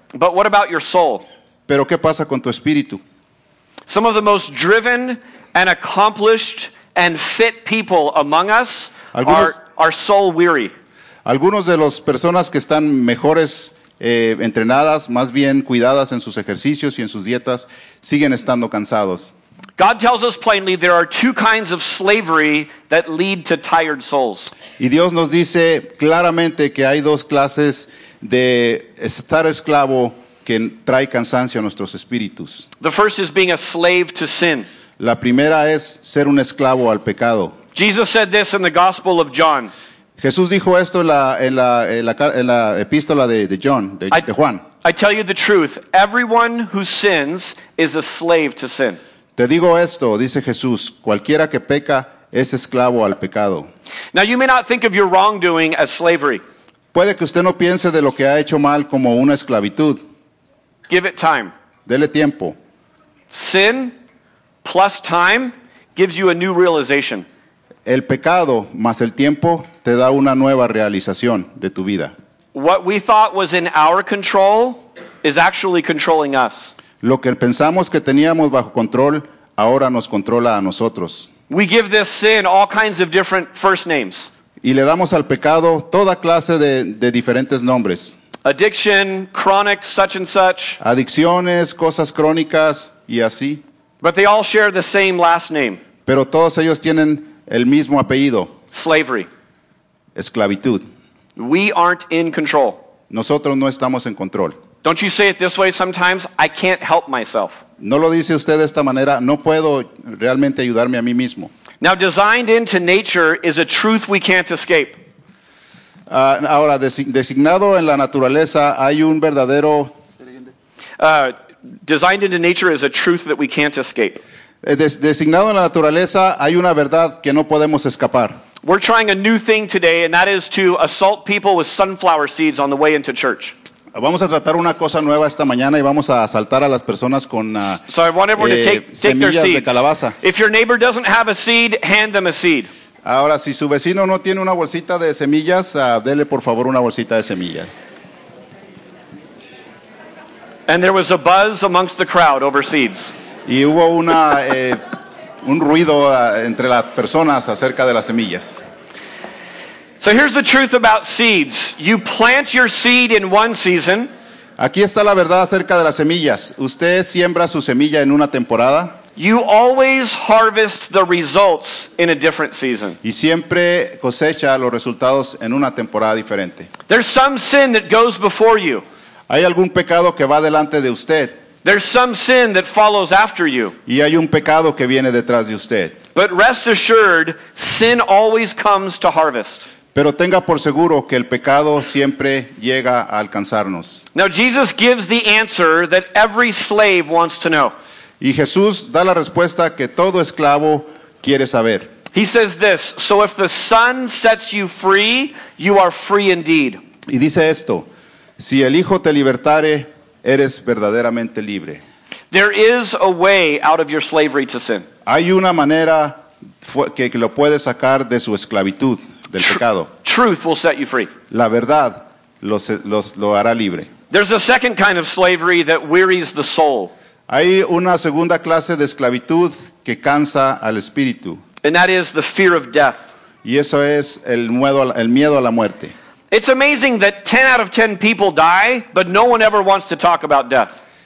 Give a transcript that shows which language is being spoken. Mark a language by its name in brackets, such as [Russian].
[English] But what about your soul? [Spanish] Pero ¿qué pasa con tu espíritu? [English] Some of the most driven and accomplished and fit people among us are soul weary. [Spanish] Algunos de las personas que están mejores entrenadas, más bien cuidadas en sus ejercicios y en sus dietas, siguen estando cansados. [English] God tells us plainly there are two kinds of slavery that lead to tired souls. [Spanish] Y Dios nos dice claramente que hay dos clases de estar esclavo que trae cansancio a nuestros espíritus. [English] The first is being a slave to sin. [Spanish] La primera es ser un esclavo al pecado. [English] Jesus said this in the Gospel of John. [Spanish] Jesús dijo esto en la epístola de John, de Juan. [English] I tell you the truth, everyone who sins is a slave to sin. [Spanish] Te digo esto, dice Jesús, cualquiera que peca es esclavo al pecado. [English] Now you may not think of your wrongdoing as slavery. [Spanish] Puede que usted no piense de lo que ha hecho mal como una esclavitud. [English] Give it time. [Spanish] Dele tiempo. [English] Sin plus time gives you a new realization. [Spanish] El pecado más el tiempo te da una nueva realización de tu vida. [English] What we thought was in our control is actually controlling us. [Spanish] Lo que pensamos que teníamos bajo control ahora nos controla a nosotros. [English] We give this sin all kinds of different first names. [Spanish] Y le damos al pecado toda clase de diferentes nombres. [English] Addiction, chronic, such and such. [Spanish] Adicciones, cosas crónicas y así. [English] But they all share the same last name. [Spanish] Pero todos ellos tienen el mismo apellido. [English] Slavery. [Spanish] Esclavitud. [English] We aren't in control. [Spanish] Nosotros no estamos en control. [English] Don't you say it this way sometimes? I can't help myself. [Spanish] No lo dice usted de esta manera. No puedo realmente ayudarme a mí mismo. [English] Now, designed into nature is a truth we can't escape. [Spanish] Ahora, designado en la naturaleza hay un verdadero... [English] Designed into nature is a truth that we can't escape. [Spanish] Designado en la naturaleza hay una verdad que no podemos escapar. [English] We're trying a new thing today, and that is to assault people with sunflower seeds on the way into church. [Spanish] Vamos a tratar una cosa nueva esta mañana y vamos a asaltar a las personas con semillas de calabaza. [English] If your neighbor doesn't have a seed, hand them a seed. [Spanish] Ahora, si su vecino no tiene una bolsita de semillas, dele por favor una bolsita de semillas. [English] And there was a buzz amongst the crowd over seeds. [Spanish] Y hubo un ruido entre las personas acerca de las semillas. [English] So here's the truth about seeds. You plant your seed in one season. [Spanish] Aquí está la verdad acerca de las semillas. Usted siembra su semilla en una temporada. [English] You always harvest the results in a different season. [Spanish] Y siempre cosecha los resultados en una temporada diferente. [English] There's some sin that goes before you. [Spanish] Hay algún pecado que va delante de usted. [English] There's some sin that follows after you. [Spanish] Y hay un pecado que viene detrás de usted. [English] But rest assured, sin always comes to harvest. [Spanish] Pero tenga por seguro que el pecado siempre llega a alcanzarnos. [English] Now Jesus gives the answer that every slave wants to know. [Spanish] Y Jesús da la respuesta que todo esclavo quiere saber. [English] He says this, so if the Son sets you free, you are free indeed. [Spanish] Y dice esto, si el Hijo te libertare, eres verdaderamente libre. [English] There is a way out of your slavery to sin. [Spanish] Hay una manera que lo puede sacar de su esclavitud, del pecado. [English] Truth will set you free. [Spanish] La verdad lo hará libre. [English] There's a second kind of slavery that wearies the soul. [Spanish] Hay una segunda clase de esclavitud que cansa al espíritu. [English] And that is the fear of death. [Spanish] Y eso es el miedo a la muerte. [English] It's amazing that 10 out of 10 people die, but no one ever wants to talk about death.